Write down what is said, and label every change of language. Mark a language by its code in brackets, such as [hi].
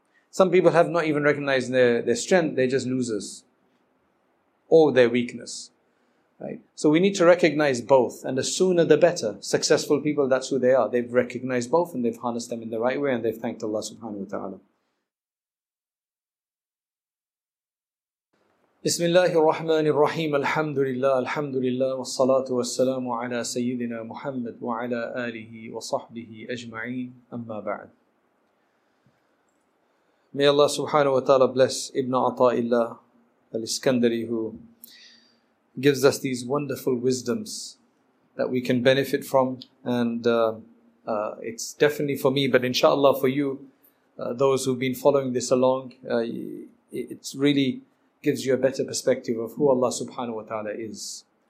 [en] Some people have not even recognized their strength, they're just losers. Or their weakness. Right? So we need to recognize both, and the sooner the better. Successful people, that's who they are. They've recognized both and they've harnessed them in the right way and they've thanked Allah subhanahu wa ta'ala. [ar] بسم الله الرحمن الرحيم الحمد لله الحمد لله والصلاة والسلام على سيدنا محمد وعلى آله وصحبه أجمعين أما بعد. [en] May Allah subhanahu wa ta'ala bless Ibn Ata'illah al-Iskandari, who gives us these wonderful wisdoms that we can benefit from, and it's definitely for me, but inshallah for you, those who've been following this along, it's really gives you a better perspective of who Allah subhanahu wa ta'ala is.